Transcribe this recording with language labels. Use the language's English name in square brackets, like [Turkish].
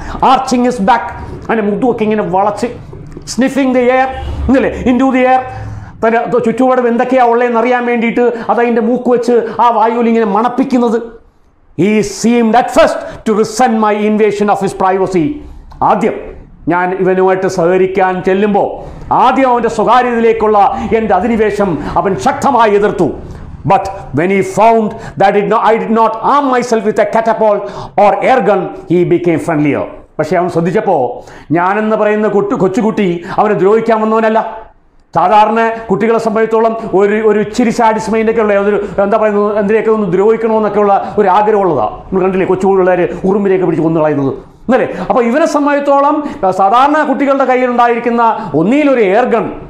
[English] arching his back, [Malayalam] അതിൻ്റെ മുട്ടുമൊക്കെ ഇങ്ങനെ വളച്ച്, [English] sniffing the air [Malayalam] എന്നല്ലേ, [English] into the air, [Malayalam] തൻ്റെ ചുറ്റുപാടും എന്തൊക്കെയാ ഉള്ളതെന്ന് അറിയാൻ വേണ്ടിയിട്ട് അത് അതിൻ്റെ മൂക്ക് വെച്ച് ആ വായുവിൽ ഇങ്ങനെ മണപ്പിക്കുന്നത്. [English] He seemed at first to resent my invasion of his privacy. [Malayalam] ആദ്യം ഞാൻ ഇവനുമായിട്ട് സഹകരിക്കാൻ ചെല്ലുമ്പോൾ ആദ്യം അവൻ്റെ സ്വകാര്യതയിലേക്കുള്ള എൻ്റെ അധിനിവേശം അവൻ ശക്തമായി എതിർത്തു. [English] But when he found that I did not arm myself with a catapult or air gun, he became friendlier. [Malayalam] പക്ഷേ അവൻ ശ്രദ്ധിച്ചപ്പോൾ ഞാനെന്ന് പറയുന്ന കൊച്ചുകുട്ടി അവനെ ദ്രോഹിക്കാൻ വന്നവനല്ല. സാധാരണ കുട്ടികളെ സംബന്ധിച്ചോളം ഒരു ഇച്ചിരി സാറ്റിസ്ഫൈൻ്റെയൊക്കെ ഉള്ള ഒരു എന്താ പറയുന്നത് എന്തിനെയൊക്കെ ഒന്ന് ദ്രോഹിക്കണമെന്നൊക്കെ ഉള്ള ഒരു ആഗ്രഹമുള്ളതാണ്. നമ്മൾ കണ്ടില്ലേ കൊച്ചുകൂടുള്ളവർ ഉറുമ്പിനെയൊക്കെ പിടിച്ച് കൊന്നു കളയുന്നത് എന്നല്ലേ. അപ്പോൾ ഇവനെ സംബന്ധിച്ചോളം സാധാരണ കുട്ടികളുടെ കയ്യിലുണ്ടായിരിക്കുന്ന ഒന്നിലൊരു എയർഗൺ